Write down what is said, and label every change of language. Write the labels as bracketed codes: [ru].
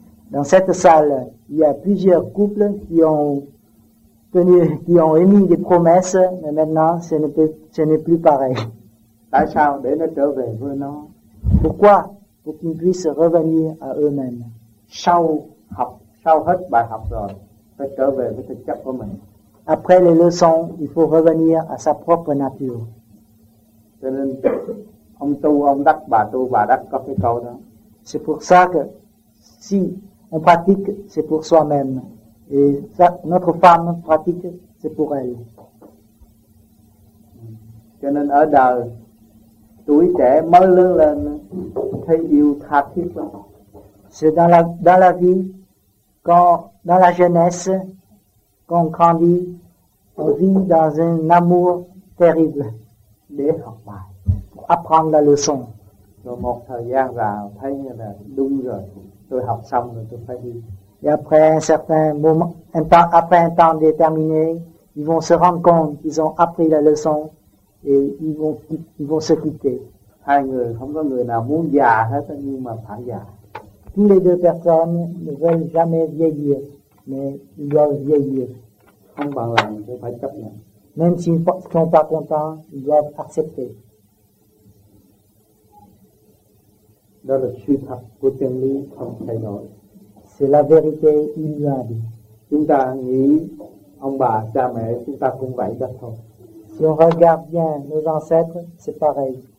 [fr] Dans cette salle, il y a plusieurs couples qui ont tenu, qui ont émis des promesses, mais maintenant, ce n'est plus pareil. Pourquoi? Pour qu'ils puissent revenir à eux-mêmes. [vi] Sau học, sau hết bài học rồi, phải trở về với thực chất của mình. [fr] Après les leçons, il faut revenir à sa propre nature. [vi] Cho nên, ông tu, ông đắc, bà tu, bà đắc có cái câu đó. [fr] C'est pour ça que, si on pratique, c'est pour soi-même. Et ça, notre femme pratique, c'est pour elle. [vi] Cho nên, ở đời, tuổi trẻ mới lớn lên, thấy yêu tha thiết lắm. [fr] C'est dans la vie, quand, dans la jeunesse, quand on grandit, on vit dans un amour terrible. [vi] Để học bài. [fr] Pour apprendre la leçon. [vi] Rồi một thời gian vào, thấy như là đúng rồi, tôi học xong rồi tôi phải đi. [fr] Et après un certain moment, un temps, après un temps déterminé, ils vont se rendre compte qu'ils ont appris la leçon et ils vont se quitter. [vi] Hai người, không có người nào muốn già hết, nhưng mà phải già. [fr] Toutes les deux personnes ne veulent jamais vieillir, mais ils doivent vieillir. [vi] Không bằng lòng, tôi phải chấp nhận. [fr] Même s'ils ne sont pas contents, ils doivent accepter. [vi] Đó là sự thật của chân lý không thay đổi. [fr] C'est la vérité immuable. [vi] Chúng ta nghĩ ông bà, cha mẹ, chúng ta cũng vậy đó thôi. [fr] Si on regarde bien nos ancêtres, c'est pareil.